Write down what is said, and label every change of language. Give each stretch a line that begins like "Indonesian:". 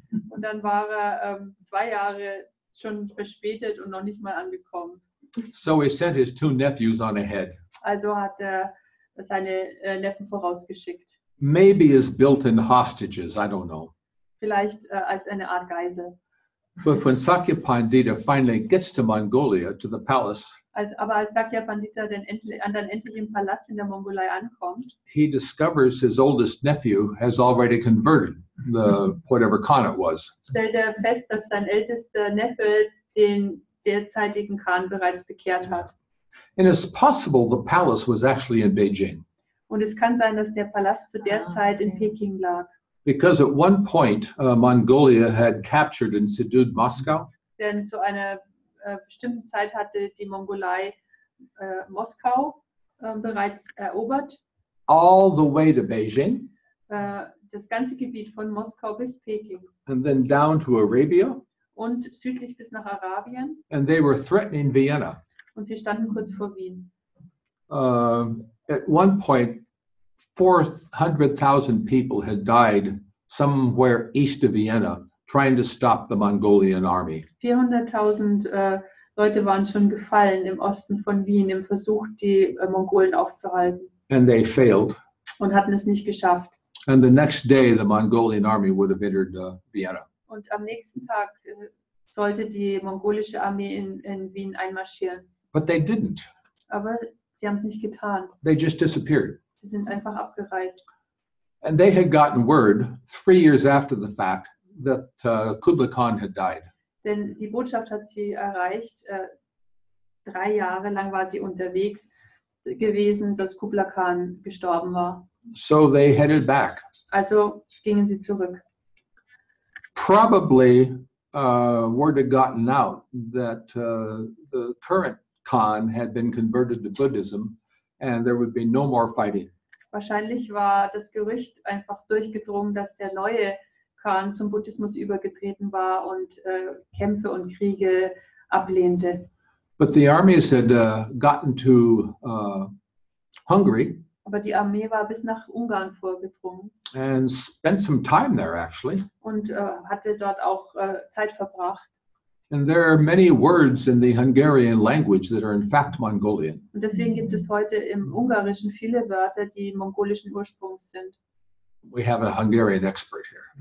German: Und dann war er 2 Jahre schon verspätet und noch nicht mal angekommen.
English: So he sent his two nephews on ahead.
German: Also hat er seine Neffen vorausgeschickt.
English: Maybe as built-in hostages, I don't know.
German: Vielleicht als eine Art Geisel.
English: But when Sakya Pandita finally gets to Mongolia, to the palace,
German: Als Sakya Pandita dann endlich im Palast in der Mongolei ankommt,
English: he discovers his oldest nephew has already converted, the whatever Khan it was.
German: Stellt er fest, dass sein ältester Neffe den derzeitigen Khan bereits bekehrt hat.
English: And it's possible the palace was actually in Beijing.
German: Und es kann sein, dass der Palast zu der Zeit in Peking lag.
English: Because at one point Mongolia had captured and subdued Moscow.
German: Denn zu einer bestimmten Zeit hatte die Mongolei Moskau bereits erobert.
English: All the way to Beijing.
German: Das ganze Gebiet von Moskau bis Peking.
English: And then down to Arabia.
German: Und südlich bis nach Arabien.
English: And they were threatening Vienna.
German: Und sie standen kurz vor Wien.
English: At one point, 400,000 people had died somewhere east of Vienna trying to stop the Mongolian army.
German: 400,000 Leute waren schon gefallen im Osten von Wien im Versuch, die Mongolen aufzuhalten.
English: And they failed.
German: Und hatten es nicht geschafft.
English: And the next day the Mongolian army would have entered Vienna.
German: Und am nächsten Tag sollte die mongolische Armee in Wien einmarschieren.
English: But they didn't.
German: Aber sie haben es nicht getan.
English: They just disappeared.
German: Sie sind einfach abgereist.
English: And they had gotten word 3 years after the fact that Kublai Khan had died.
German: Denn die Botschaft hat sie erreicht. 3 Jahre lang war sie unterwegs gewesen, dass Kublai Khan gestorben war.
English: So they headed back.
German: Also gingen sie zurück.
English: Probably word had gotten out that the current Khan had been converted to Buddhism. And there would be no more fighting.
German: Wahrscheinlich war das Gerücht einfach durchgedrungen, dass der neue Khan zum Buddhismus übergetreten war und Kämpfe und Kriege ablehnte.
English: But the armies had gotten to Hungary.
German: Aber die Armee war bis nach Ungarn vorgedrungen.
English: And spent some time there actually.
German: Und hatte dort auch Zeit verbracht.
English: And there are many words in the Hungarian language that are in fact Mongolian.
German: Und deswegen gibt es heute im Ungarischen viele Wörter, die mongolischen Ursprungs sind.
English: We have a Hungarian expert here.